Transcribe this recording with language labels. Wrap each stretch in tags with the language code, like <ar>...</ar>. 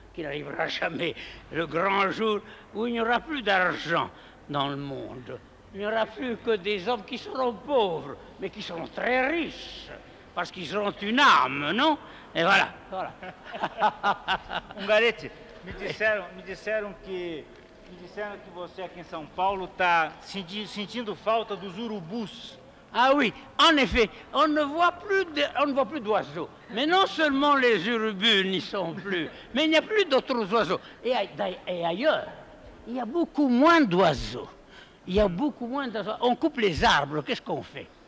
<fr>qui n'arrivera jamais, le grand jour où il n'y aura plus d'argent dans le monde. Il n'y aura plus que des hommes qui seront pauvres, mais qui seront très riches, parce qu'ils auront une âme, non? Et voilà, voilà.</fr> <pt>Ungaretti, me disseram que você aqui em São Paulo está sentindo falta dos urubus.</pt> <fr>Ah oui, en effet, on ne voit plus d'oiseaux. Mais non seulement les urubus n'y sont plus, mais il n'y a plus d'autres oiseaux. Et ailleurs, il y a beaucoup moins d'oiseaux. Il y a beaucoup moins d'oiseaux. On coupe les arbres, qu'est-ce qu'on fait?</fr>